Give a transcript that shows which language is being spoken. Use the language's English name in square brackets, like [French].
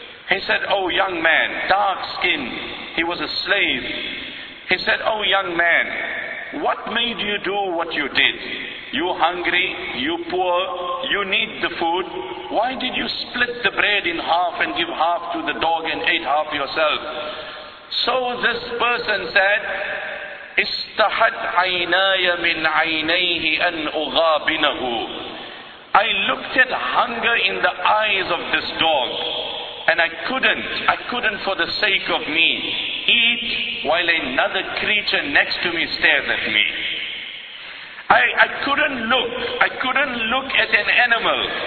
[English] He said, oh young man, dark skin, he was a slave. He said, oh young man, what made you do what you did? You hungry, you poor, you need the food. Why did you split the bread in half and give half to the dog and ate half yourself? [Arabic] So this person said, استحت عيناي من عينيه أن أغابنه. [English] I looked at hunger in the eyes of this dog, and I couldn't for the sake of me eat while another creature next to me stares at me. I couldn't look at an animal.